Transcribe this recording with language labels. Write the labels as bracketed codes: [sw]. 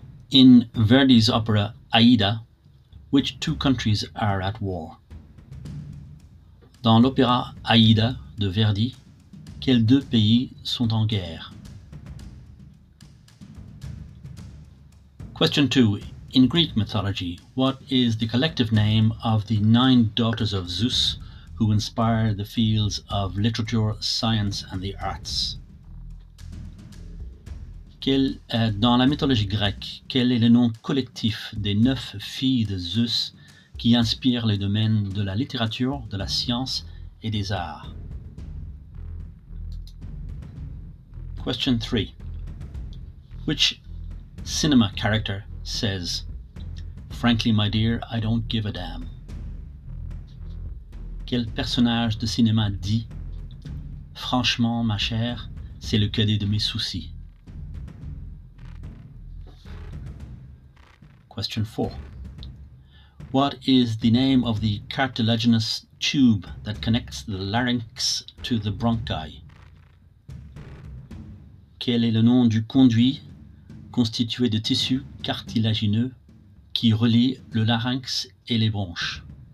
[en] In Verdi's opera Aida, which two countries are at war? [fr] Dans l'opéra Aïda de Verdi, quels deux pays sont en guerre? [en] Question 2. In Greek mythology, what is the collective name of the 9 daughters of Zeus who inspire the fields of literature, science and the arts? [fr] Dans la mythologie grecque, quel est le nom collectif des 9 filles de Zeus qui inspirent les domaines de la littérature, de la science et des arts? [en] Question 3. Which cinema character says, "Frankly, my dear, I don't give a damn"? [fr] Quel personnage de cinéma dit, "Franchement, ma chère, c'est le cadet de mes soucis"? [en] Question 4. What is the name of the cartilaginous tube that connects the larynx to the bronchi? [fr] Quel est le nom du conduit constitué de tissus cartilagineux qui relie le larynx et les bronches?